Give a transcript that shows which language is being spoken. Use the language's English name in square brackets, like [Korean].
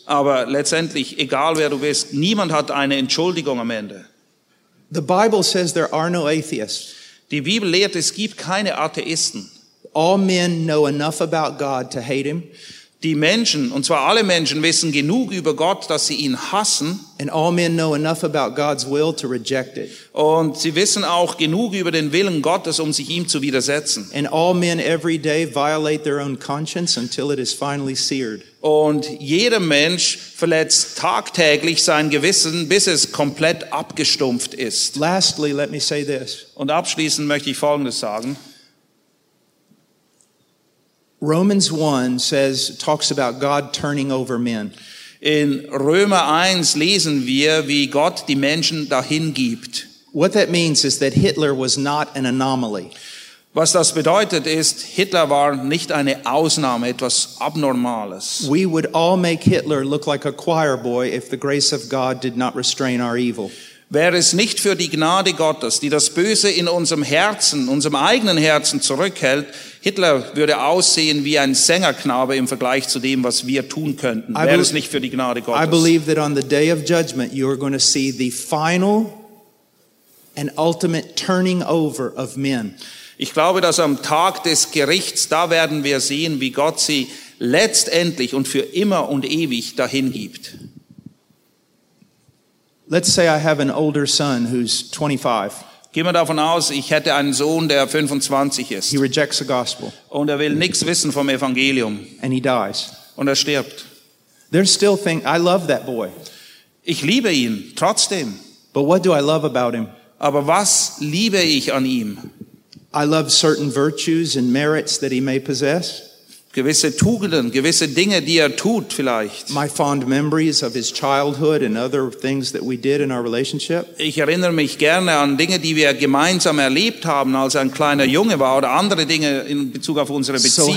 [German] Aber letztendlich, egal wer du bist, niemand hat eine Entschuldigung am Ende. [English] The Bible says there are no atheists. [German] Die Bibel lehrt, es gibt keine Atheisten. [English] All men know enough about God to hate him. [German] Die Menschen, und zwar alle Menschen, wissen genug über Gott, dass sie ihn hassen. [English] And all men know enough about God's will to reject it. [German] Und sie wissen auch genug über den Willen Gottes, um sich ihm zu widersetzen. [English] And all men every day violate their own conscience until it is finally seared. [German] Und jeder Mensch verletzt tagtäglich sein Gewissen, bis es komplett abgestumpft ist. [English] Lastly, let me say this. [German] Und abschließend möchte ich Folgendes sagen. [English] Romans 1 talks about God turning over men. [German] In Römer 1 lesen wir, wie Gott die Menschen dahin gibt. [English] What that means is that Hitler was not an anomaly. [German] Was das bedeutet ist, Hitler war nicht eine Ausnahme, etwas Abnormales. [English] We would all make Hitler look like a choir boy if the grace of God did not restrain our evil. [German] Wäre es nicht für die Gnade Gottes, die das Böse in unserem Herzen, unserem eigenen Herzen zurückhält, Hitler würde aussehen wie ein Sängerknabe im Vergleich zu dem, was wir tun könnten. Wäre es nicht für die Gnade Gottes. [English] I believe that on the day of judgment you are going to see the final and ultimate turning over of men. [German] Ich glaube, dass am Tag des Gerichts, da werden wir sehen, wie Gott sie letztendlich und für immer und ewig dahin gibt. [English] Let's say I have an older son who's 25. [German] Gehen wir davon aus, ich hätte einen Sohn, der 25 ist. [English] He rejects the gospel. [German] Und er will nichts wissen vom Evangelium. [English] And he dies. [German] Und er stirbt. [English] There's still thing. I love that boy. [German] Ich liebe ihn trotzdem. [English] But what do I love about him? [German] Aber was liebe ich an ihm? [English] I love certain virtues and merits that he may possess. [German] Gewisse Tugenden, gewisse Dinge, die er tut vielleicht. [English] My fond memories of his childhood and other things that we did in our relationship. [German] Ich erinnere mich gerne an Dinge, die wir gemeinsam erlebt haben, als er ein kleiner Junge war, oder andere Dinge in Bezug auf unsere Beziehung.